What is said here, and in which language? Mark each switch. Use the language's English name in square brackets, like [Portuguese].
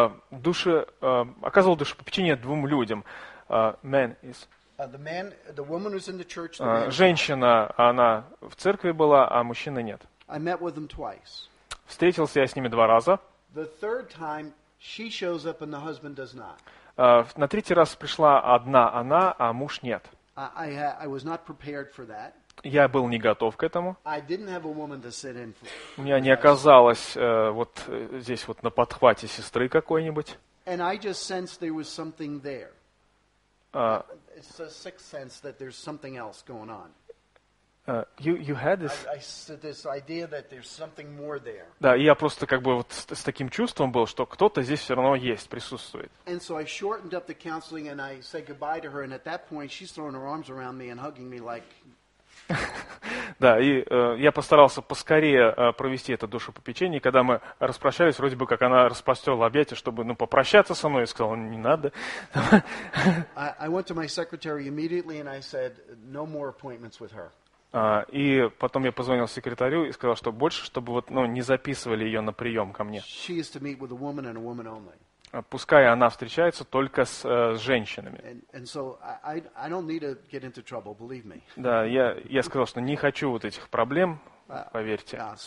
[Russian] Оказывал душепопечение двум людям. Женщина, она в церкви была, а мужчины нет. [English] I met with them twice. [Russian] Встретился я с ними два раза. [English] The third time she shows up and the husband does not. [Russian] На третий раз пришла одна она, а муж нет. [English] I was not prepared for that. [Russian] Я был не готов к этому. [English] I didn't have a woman to sit in for. [Russian] У меня не оказалось вот здесь вот на подхвате сестры какой-нибудь. [English] And I just sensed there was something there. It's a sixth sense that there's something else going on. You had this. This idea that there's something more there. [Russian] Да, и я просто как бы вот с таким чувством был, что кто-то здесь все равно есть, присутствует. [English] And so I shortened up the counseling and I said goodbye to her. And at that point, she's throwing her arms around me and hugging me like. [Russian] Да, и я постарался поскорее провести это душепопечение. Когда мы распрощались, вроде бы как она распростерла объятия, чтобы попрощаться со мной, и сказала, не надо. [English] I went to my secretary immediately, and I said, no more appointments with her. [Russian] И потом я позвонил секретарю и сказал, что больше, чтобы вот, не записывали ее на прием ко мне. [English] She is to meet with a woman and a woman only. [Russian] Пускай она встречается только с женщинами. [English] So [Russian] да, я сказал, что не хочу вот этих проблем, поверьте.